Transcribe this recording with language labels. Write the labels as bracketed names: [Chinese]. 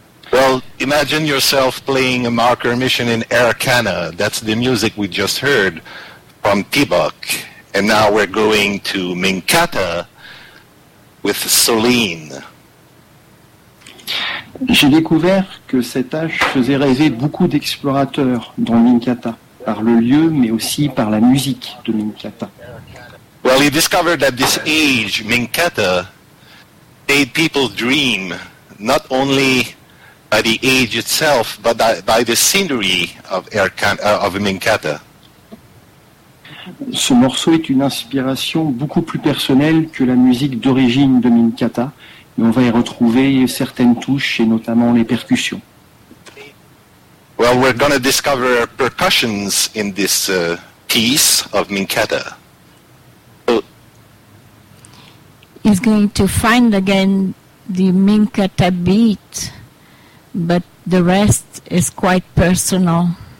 [English] Well, imagine yourself playing a marker mission in Erkana. That's the music we just heard from Peebok. And now we're going to Minkata with Solin. [French] J'ai découvert que cet âge faisait rêver beaucoup d'explorateurs dans Minkata, par le lieu, mais aussi par la musique de Minkata. [English] Well, he discovered that this age, Minkata, made people dream, not only by the age itself, but by the scenery of Minkata. [French] Ce morceau est une inspiration beaucoup plus personnelle que la musique d'origine de Minkata, et on va y retrouver certaines touches et notamment les percussions. [English] Well, we're going to discover percussions in this piece of Minketa. He's going to find again the Minketa beat, but the rest is quite personal.